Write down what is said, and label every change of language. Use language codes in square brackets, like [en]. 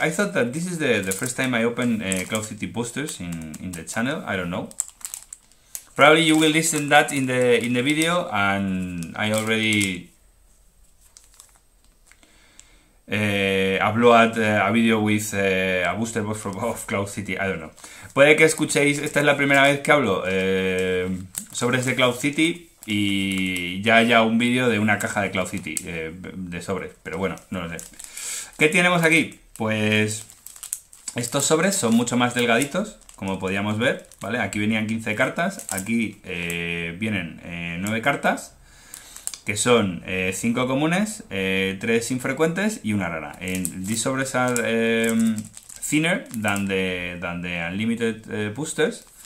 [en] I thought that this is the first time I open Cloud City boosters in the channel. I don't know. Probably you will listen that in the video, and I already upload a video with a booster box of Cloud City. I don't know. [es] Puede que escuchéis, esta es la primera vez que hablo sobre ese Cloud City y ya haya un vídeo de una caja de Cloud City de sobres, pero bueno, no lo sé. ¿Qué tenemos aquí? Pues estos sobres son mucho más delgaditos, como podíamos ver, ¿vale? Aquí venían 15 cartas, aquí vienen 9 cartas, que son 5 comunes, 3 infrecuentes y una rara. [en] These sobres are thinner than the unlimited boosters.